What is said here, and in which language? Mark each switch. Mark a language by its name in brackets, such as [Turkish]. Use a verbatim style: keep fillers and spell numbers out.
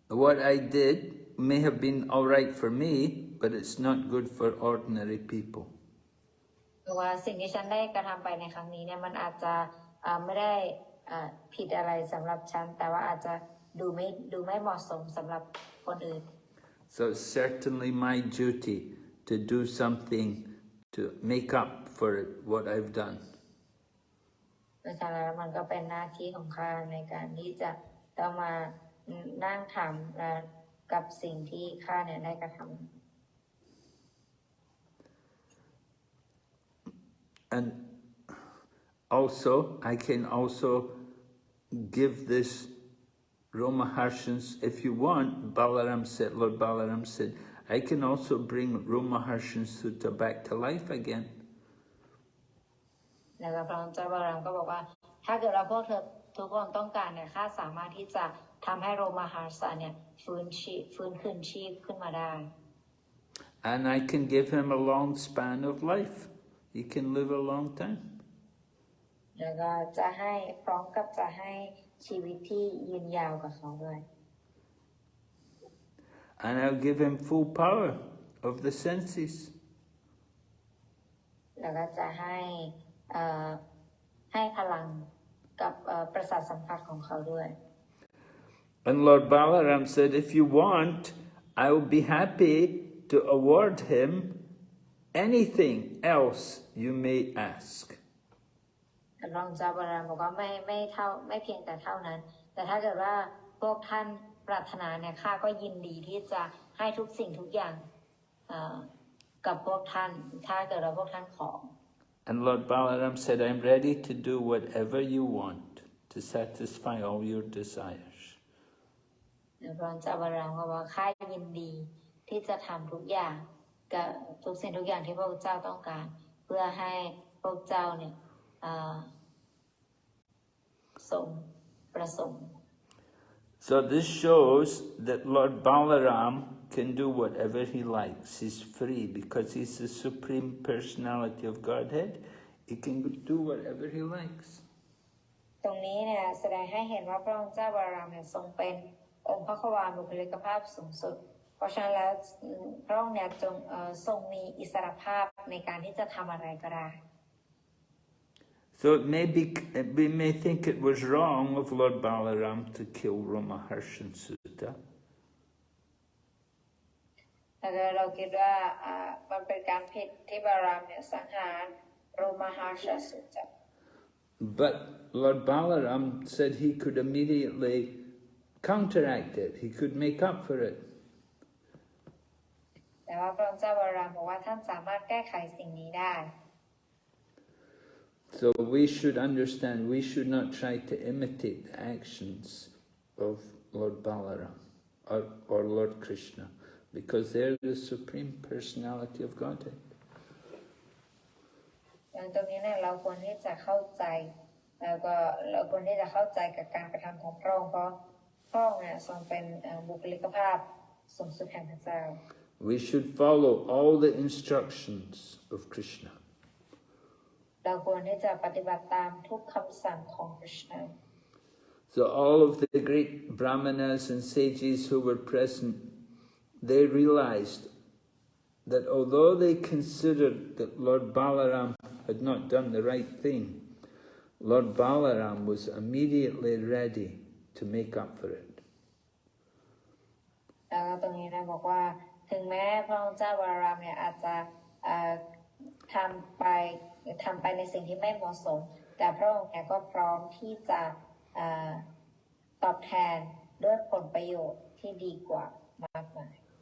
[English] What I did may have been all right for me, but it's not good for ordinary people. [Thai] เพราะว่าสิ่งที่ฉันได้กระทำไปในครั้งนี้เนี่ยมันอาจจะเอ่อไม่ได้เอ่อผิดอะไรสำหรับฉันแต่ว่าอาจจะดูไม่ดูไม่เหมาะสมสำหรับคนอื่น [English] So it's certainly my duty to do something to make up for it, what I've done. [Thai] เพราะฉะนั้นแล้วมันก็เป็นหน้าที่ของข้าในการที่จะต้องมานั่งถามและกับสิ่งที่ข้าเนี่ยได้กระทำ [English] And also, I can also give this Romaharshans, if you want, Balaram said, Lord Balaram said, I can also bring Romaharshan Sutta back to life again. [Thai] แล้วก็พระองค์เจ้าบาลามก็บอกว่าถ้าเกิดเราพวกเธอทุกคนต้องการเนี่ยข้าสามารถที่จะทำให้โรมาหาสะเนี่ยฟื้นชีพฟื้นคืนชีพขึ้นมาได้ [English] And I can give him a long span of life. He can live a long time. [Thai] แล้วก็จะให้พร้อมกับจะให้ชีวิตที่ยืนยาวกับเขาด้วย [English] And I'll give him full power of the senses. [Thai] แล้วก็จะให้เอ่อให้พลังกับเอ่อประสาทสัมผัสของเขาด้วย [English] And Lord Balaram said, if you want, I will be happy to award him anything else you may ask. [Thai] รองเจ้าบารามบอกว่าไม่ไม่เท่าไม่เพียงแต่เท่านั้น แต่ถ้าเกิดว่าพวกท่านปรารถนาเนี่ยข้าก็ยินดีที่จะให้ทุกสิ่งทุกอย่างเอ่อกับพวกท่านถ้าเกิดว่าพวกท่านขอ [English] And Lord Balaram said, I'm ready to do whatever you want to satisfy all your desires. [Thai] รองเจ้าบารามก็บอกว่าข้ายินดีที่จะทำทุกอย่างกับทุกสิ่งทุกอย่างที่พระเจ้าต้องการเพื่อให้พระเจ้าเนี่ยเอ่อสมประสงค์ [English] So this shows that Lord Balaram can do whatever he likes. He's free because he's the Supreme Personality of Godhead. He can do whatever he likes. [Thai] ตรงนี้เนี่ยแสดงให้เห็นว่าพระองค์เจ้าบารามเนี่ยทรงเป็นองค์พระควาบุคลิกภาพสูงสุดเพราะฉะนั้นแล้วพระองค์เนี่ยจงเอ่อทรงมีอิสรภาพในการที่จะทำอะไรก็ได้ [English] So it may be, we may think it was wrong of Lord Balaram to kill Romaharshan Sutta. [Thai] ถ้าเกิดเราคิดว่าอ่ามันเป็นการผิดที่บารามเนี่ยสังหารโรมาหาชสุจา [English] But Lord Balaram said he could immediately counteract it. He could make up for it. [Thai] แต่ว่าพระองค์เจ้าบารามบอกว่าท่านสามารถแก้ไขสิ่งนี้ได้ [English] So we should understand, we should not try to imitate the actions of Lord Balaram or, or Lord Krishna, because they're the Supreme Personality of Godhead. [Thai] ดังตรงนี้เนี่ยเราควรที่จะเข้าใจแล้วก็เราควรที่จะเข้าใจกับการกระทำของพระองค์เพราะพระองค์เนี่ยทรงเป็นเอ่อบุคลิกภาพสูงสุดแห่งพระเจ้า [English] We should follow all the instructions of Krishna. [Thai] เราควรที่จะปฏิบัติตามทุกคำสั่งของพระเจ้า [English] So all of the great brahmanas and sages who were present, they realized that although they considered that Lord Balaram had not done the right thing, Lord Balaram was immediately ready to make up for it. [Thai] แล้วก็ตรงนี้นะบอกว่าถึงแม้พระองค์เจ้าบารามเนี่ยอาจจะเอ่อทำไปทำไปในสิ่งที่ไม่เหมาะสมแต่พระองค์เนี่ยก็พร้อมที่จะเอ่อตอบแทน ด้วยผลประโยชน์ที่ดีกว่ามากมาย